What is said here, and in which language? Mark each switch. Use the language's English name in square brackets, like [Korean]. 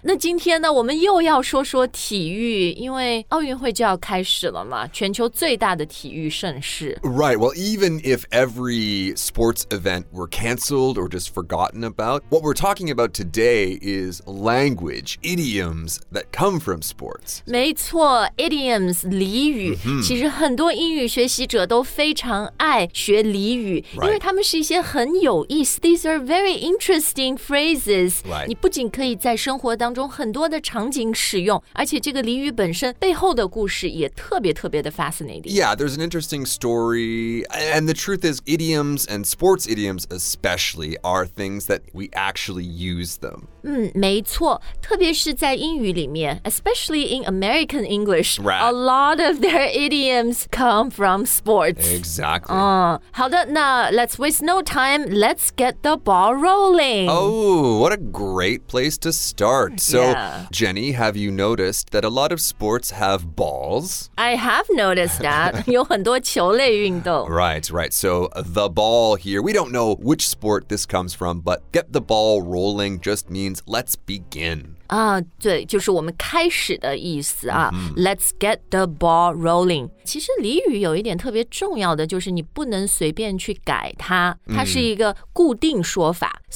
[Chinese] 那今天呢，我们又要说说体育，因为奥运会就要开始了嘛，全球最大的体育盛世。 [English] Right, well, even if every sports event were canceled or just forgotten about, what we're talking about today is language, idioms that come from sports. [Chinese] 没错 ,idioms, 俚语、mm-hmm. 其实很多英语学习者都非常爱学俚语、 [English] right. [Chinese] 因为他们是一些很有意思 [English] These are very interesting phrases、 right. [Chinese] 你不仅可以在生活当中很多的场景使用而且这个俚语本身背后的故事也特别特别的 fascinating. [English] Yeah, there's an interesting story, and the truth is idioms and sports idioms especially are things that we actually use them. [Chinese] 没错，特别是在英语里面 [English] especially in American English、 right. a lot of their idioms come from sports. Exactly. [Chinese] 好的，那 [English] let's waste no time, let's get the ball rolling. Oh, what a great place to start. So,、 yeah. Jenny, have you noticed that a lot of sports have balls? I have noticed that. [Chinese] 有很多球类运动 [English] Right, right. So the ball here, we don't know which sport this comes from, but get the ball rolling just means let's begin. [Chinese] 对，就是我们开始的意思啊、mm-hmm. [English] Let's get the ball rolling. [Chinese] 其实俚语有一点特别重要的就是你不能随便去改它它是一个固定说法、mm-hmm.